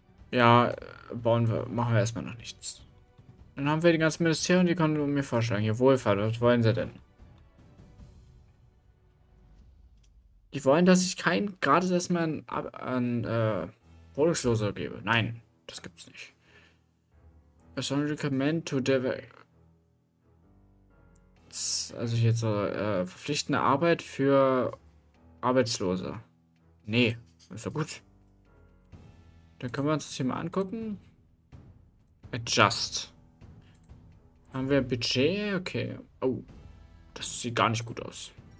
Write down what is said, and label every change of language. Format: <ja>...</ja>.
<de>Ja, machen wir erstmal noch nichts. Dann haben wir die ganzen Ministerien, die können mir vorschlagen. Hier, Wohlfahrt, was wollen sie denn? Die wollen, dass ich kein gratis Essen an Wohnungslose gebe. Nein, das gibt's nicht.</de> <en>I strongly recommend to develop.</en> <de>Also hier so verpflichtende Arbeit für Arbeitslose. Nee, ist doch gut. Dann können wir uns das hier mal angucken. Adjust. Haben wir ein Budget? Okay. Oh, das sieht gar nicht gut aus.</de>